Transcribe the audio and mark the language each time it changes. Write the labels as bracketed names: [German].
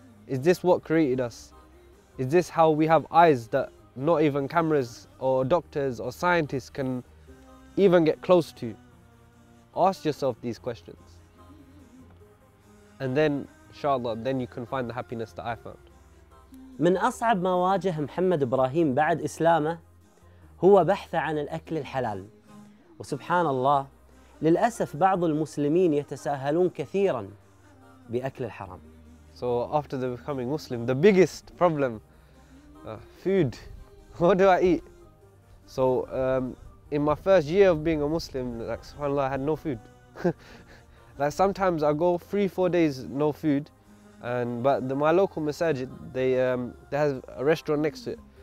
[English] Is this what created us? Is this how we have eyes that not even cameras or doctors or scientists can even get close to? Ask yourself these questions. And then, inshallah, then you can find the happiness that I found. [Arabic] من أصعب ما واجه محمد إبراهيم بعد إسلامه هو بحث عن الأكل الحلال. وسبحان الله للأسف بعض المسلمين يتساهلون كثيرا بأكل الحرام. [English] So after the becoming Muslim, the biggest problem, food. What do I eat? So in my first year of being a Muslim, like subhanAllah, I had no food. Like sometimes I go 3-4 days no food, and but my local masajid, they have a restaurant next to it.